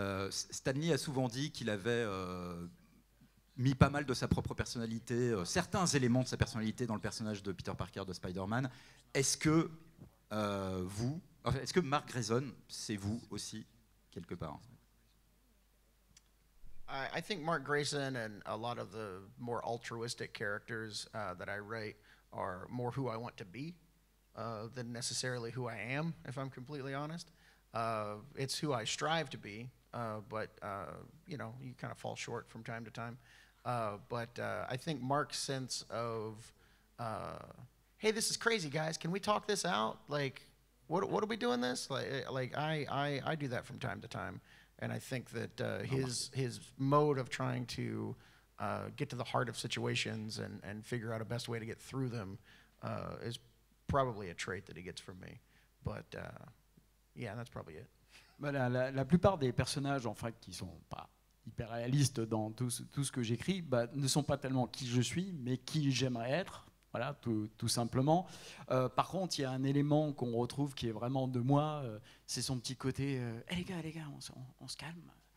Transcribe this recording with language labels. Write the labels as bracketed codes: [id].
[fr] Stan Lee a souvent dit qu'il avait mis pas mal de sa propre personnalité, certains éléments de sa personnalité dans le personnage de Peter Parker de Spider-Man. Est-ce que vous... Est-ce que Mark Grayson, c'est vous aussi, quelque part? [en] I think Mark Grayson and a lot of the more altruistic characters that I write are more who I want to be than necessarily who I am, if I'm completely honest. It's who I strive to be, but, you know, you kind of fall short from time to time. But I think Mark's sense of, hey, this is crazy, guys, can we talk this out? Like... What are we doing this? I do that from time to time, and I think that his mode of trying to get to the heart of situations and figure out a best way to get through them is probably a trait that he gets from me. But yeah, that's probably it. [fr] Voilà, la plupart des personnages en fait qui sont pas hyper réalistes dans tout ce que j'écris, bah, ne sont pas tellement qui je suis, mais qui j'aimerais être. Voilà, tout simplement. Par contre, il y a un élément qu'on retrouve qui est vraiment de moi, c'est son petit côté « Hey les gars, on se calme.